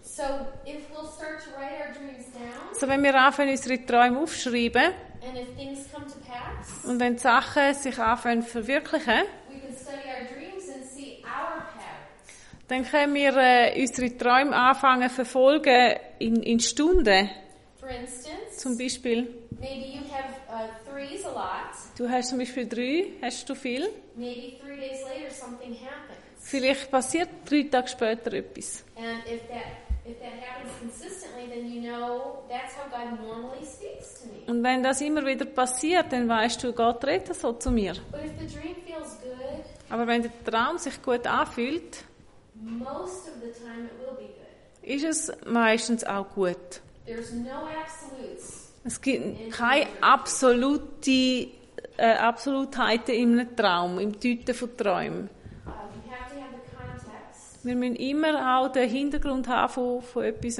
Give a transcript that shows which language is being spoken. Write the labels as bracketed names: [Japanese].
[English] So if we'll start to write our dreams down, [German] so wenn wir anfangen, unsere Träume aufschreiben, [English] and if things come to pass, [German] und wenn die Sachen sich anfangen zu verwirklichen, [English] we can study our dreams and see our paths. [German] Dann können wir unsere Träume anfangen zu verfolgen in Stunden. [English] For instance, [German] zum Beispiel, [English] maybe you have, threes a lot. [German] Du hast zum Beispiel 3, hast du viel? [English] Maybe 3 days later something happens. [German] Vielleicht passiert 3 Tage später etwas. [English] And if that happens consistently, then you know that's how God normally speaks. [German] Und wenn das immer wieder passiert, dann weißt du, Gott redet so zu mir. [English] But if the dream feels good, [German] aber wenn der Traum sich gut anfühlt, [English] most of the time it will be good. [German] Ist es meistens auch gut. [English] There's no absolutes. [German] Es gibt keine Absolutheiten in einem Traum, im Deuten von Träumen. [English] You have to have the context. [German] Wir müssen immer auch den Hintergrund haben von etwas.